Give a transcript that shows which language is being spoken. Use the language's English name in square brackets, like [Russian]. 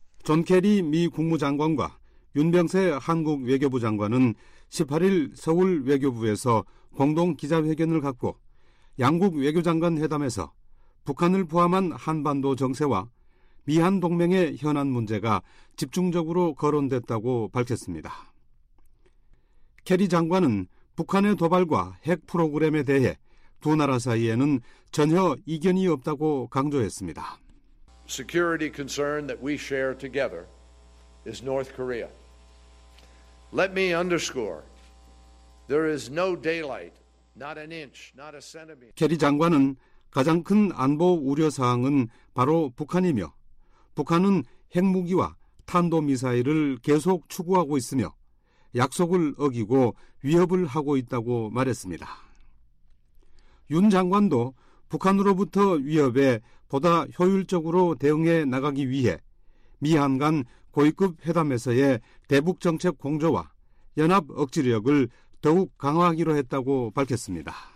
[Korean] 존 케리 미 국무장관과 윤병세 한국 외교부 장관은 18일 서울 외교부에서 공동 기자회견을 갖고 양국 외교장관 회담에서 북한을 포함한 한반도 정세와 미한 동맹의 현안 문제가 집중적으로 거론됐다고 밝혔습니다. 케리 장관은 북한의 도발과 핵 프로그램에 대해 두 나라 사이에는 전혀 이견이 없다고 강조했습니다. [English] Security concern that we share together is North Korea. Let me underscore. There is no daylight, not an inch, not a centimeter. [Korean] 케리 장관은 가장 큰 안보 우려 사항은 바로 북한이며 북한은 핵무기와 탄도미사일을 계속 추구하고 있으며 약속을 어기고 위협을 하고 있다고 말했습니다. 윤 장관도 북한으로부터 위협에 보다 효율적으로 대응해 나가기 위해 미한 간 고위급 회담에서의 대북정책 공조와 연합 억지력을 더욱 강화하기로 했다고 밝혔습니다.